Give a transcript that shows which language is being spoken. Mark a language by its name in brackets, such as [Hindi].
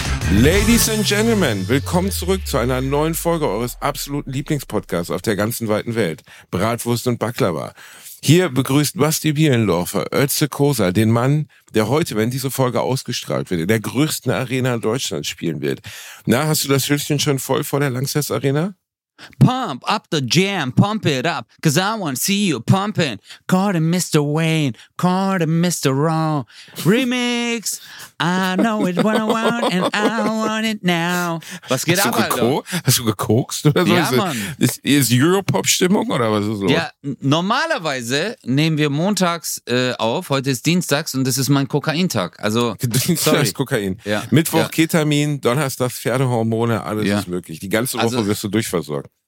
[English] Ladies and Gentlemen, [German] willkommen zurück zu einer neuen Folge eures absoluten Lieblingspodcasts auf der ganzen weiten Welt, Bratwurst und Baklava. Hier begrüßt Basti Bielendorfer, Özte Kosa, den Mann, der heute, wenn diese Folge ausgestrahlt wird, in der größten Arena Deutschlands spielen wird. Na, hast du das Hüllchen schon voll vor der Lanxess Arena? [English] Pump up the jam, pump it up, cause I wanna see you pumping. Call him Mr. Wayne, call him Mr. Raw. Remix, I know it what I want and I want it now. [German] Was geht ab, Alter? Hast du gekokst oder so? Ja, ist, Mann. Ist Europop-Stimmung oder was ist los? Ja, normalerweise nehmen wir montags auf, heute ist Dienstags und das ist mein Kokain-Tag. Also, Dienstags Kokain. Ja. Mittwoch ja. Ketamin, Donnerstag Pferdehormone, alles ja. ist möglich. Die ganze Woche wirst du durchversorgt.